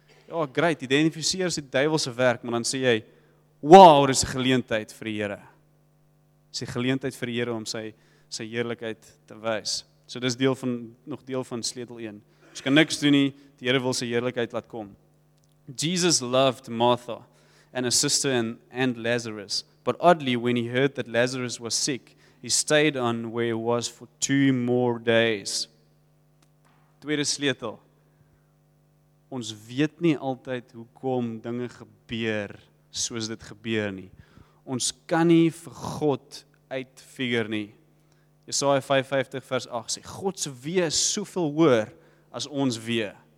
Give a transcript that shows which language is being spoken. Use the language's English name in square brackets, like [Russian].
[Afrikaans] Ja, great, identifiseer as die duiwel se werk, maar dan sê jy, "Wow, dis 'n geleentheid vir die Here." Dis 'n geleentheid vir die Here om sy heerlikheid te wys. So dis deel van sleutel 1. Ons kan niks doen nie, die Here wil sy heerlikheid laat kom. [English] Jesus loved Martha and her sister and Lazarus, but oddly, when he heard that Lazarus was sick, he stayed on where he was for 2 more days. [Afrikaans] Tweede sleutel. Ons weet nie altyd hoekom dinge gebeur soos dit gebeur nie. Ons kan nie vir God uitfigure nie. Jesaja 55 vers 8 sê, God se weë is soveel hoër as ons weë.